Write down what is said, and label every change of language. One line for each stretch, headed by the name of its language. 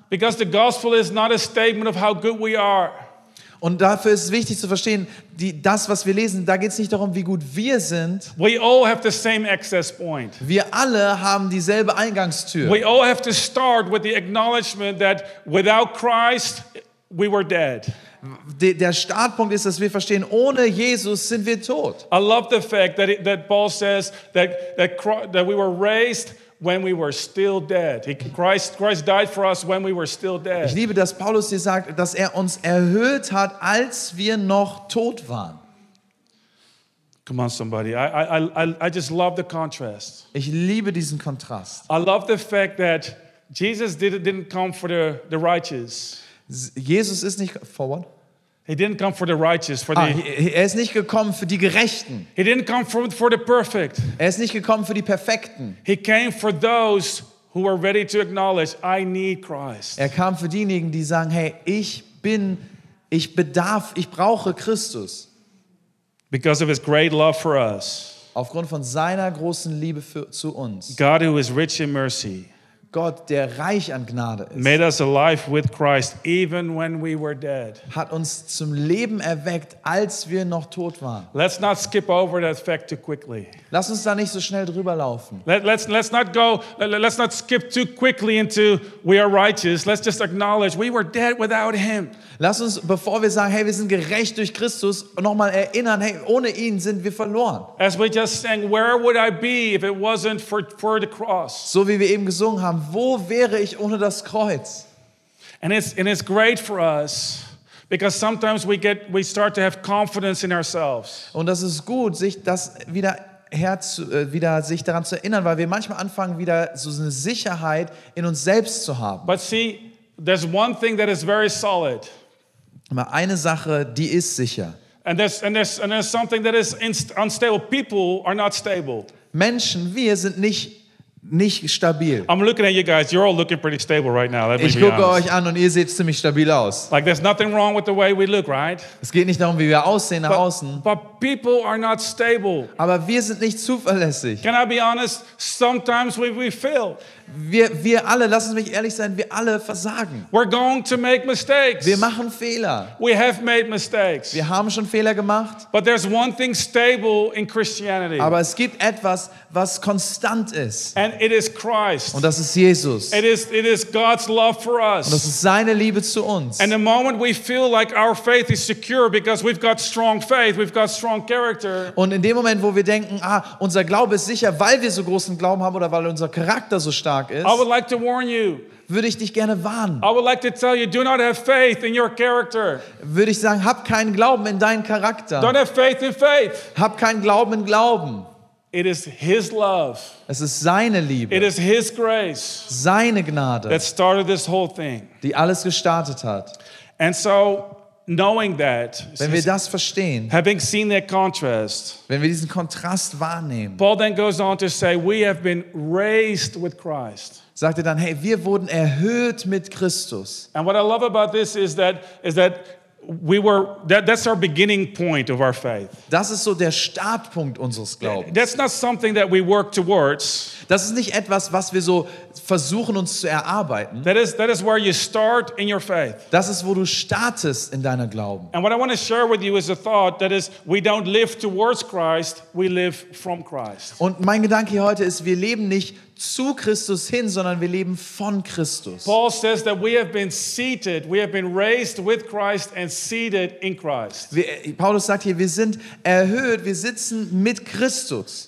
English: Because the gospel is not a statement of how good we are.
German: Und dafür ist es wichtig zu verstehen, das, was wir lesen, da geht es nicht darum, wie gut wir sind.
English: We all have the same access point.
German: Wir alle haben dieselbe Eingangstür.
English: We all have to start with the acknowledgement that without Christ we were dead.
German: Der Startpunkt ist, dass wir verstehen, ohne Jesus sind wir tot.
English: I love the fact that Paul says that we were raised when we were still dead. Christ died for us when we were still dead.
German: Ich liebe, dass Paulus hier sagt, dass er uns erhöht hat, als wir noch tot waren.
English: Come on, somebody. I just love the contrast.
German: Ich liebe diesen Kontrast.
English: I love the fact that Jesus didn't come for the righteous.
German: Jesus ist nicht
English: for what? He didn't come for the righteous, for the.
German: Er ist nicht gekommen für die Gerechten.
English: He didn't come for the perfect.
German: Er ist nicht gekommen für die Perfekten.
English: He came for those who are ready to acknowledge, I need Christ.
German: Er kam für diejenigen, die sagen, hey, ich brauche Christus.
English: Because of his great love for us.
German: Aufgrund von seiner großen Liebe zu uns.
English: God, who is rich in mercy.
German: Gott, der reich an Gnade ist.
English: Made us alive with Christ, even when we were dead.
German: Hat uns zum Leben erweckt, als wir noch tot waren.
English: Let's not skip over that fact too quickly.
German: Lass uns da nicht so schnell drüber laufen.
English: Let's not skip too quickly into we are righteous. Let's just acknowledge we were dead without him.
German: Lass uns, bevor wir sagen, hey, wir sind gerecht durch Christus, nochmal erinnern, hey, ohne ihn sind wir verloren.
English: As we just sang, where would I be if it wasn't for the cross?
German: So wie wir eben gesungen haben, wo wäre ich ohne das Kreuz?
English: And it's great for us. Because sometimes we start to have confidence in ourselves.
German: Und das ist gut, sich das wieder sich daran zu erinnern, weil wir manchmal anfangen, wieder so eine Sicherheit in uns selbst zu haben.
English: But see, there's one thing that is very solid.
German: Aber eine Sache, die ist sicher.
English: And there's something that is unstable. People are not stable.
German: Menschen, wir sind nicht stabil.
English: I'm looking at you guys. You're all looking pretty stable right now.
German: Ich gucke euch an und ihr seht ziemlich stabil aus.
English: Like there's nothing wrong with the way we look, right?
German: Es geht nicht darum, wie wir aussehen nach außen.
English: But people are not stable.
German: Aber wir sind nicht zuverlässig.
English: Can I be honest? Sometimes we fail.
German: Wir alle, lass es mich ehrlich sein, wir alle versagen.
English: We're going to make mistakes.
German: Wir machen Fehler.
English: We have made mistakes.
German: Wir haben schon Fehler gemacht.
English: But there's one thing stable in Christianity.
German: Aber es gibt etwas, was konstant ist.
English: And it is Christ.
German: Und das ist Jesus.
English: It is God's love for us.
German: Und das ist seine Liebe zu uns.
English: And the moment we feel like our faith is secure because we've got strong faith, we've got strong character.
German: Und in dem Moment, wo wir denken, ah, unser Glaube ist sicher, weil wir so großen Glauben haben oder weil unser Charakter so stark ist.
English: I would like to warn you.
German: Würde ich dich gerne warnen.
English: I would like to tell you, do not have faith in your character.
German: Würde ich sagen, hab keinen Glauben in deinen Charakter.
English: Don't have faith in faith.
German: Hab keinen Glauben in Glauben.
English: It is his love.
German: Es ist seine Liebe.
English: It is his grace.
German: Seine Gnade.
English: That started this whole thing.
German: Die alles gestartet hat.
English: And so, knowing that,
German: wenn wir das verstehen,
English: having seen that contrast,
German: wenn wir diesen Kontrast wahrnehmen,
English: Paul then goes on to say, we have been raised with Christ.
German: Sagt er dann, hey, wir wurden erhöht mit Christus.
English: And what I love about this is that we were that's our beginning point of our faith.
German: Das ist so der Startpunkt unseres Glaubens.
English: That's not something that we work towards.
German: Das ist nicht etwas, was wir so versuchen uns zu erarbeiten.
English: That is where you start in your faith.
German: Das ist, wo du startest in deiner Glauben.
English: And what I want to share with you is a thought that is we don't live towards Christ, we live from Christ.
German: Und mein Gedanke heute ist, wir leben nicht zu Christus hin, sondern wir leben von Christus.
English: Paul says that we have been seated, we have been raised with Christ and seated in Christ.
German: Paulus sagt hier, wir sind erhöht, wir sitzen mit Christus.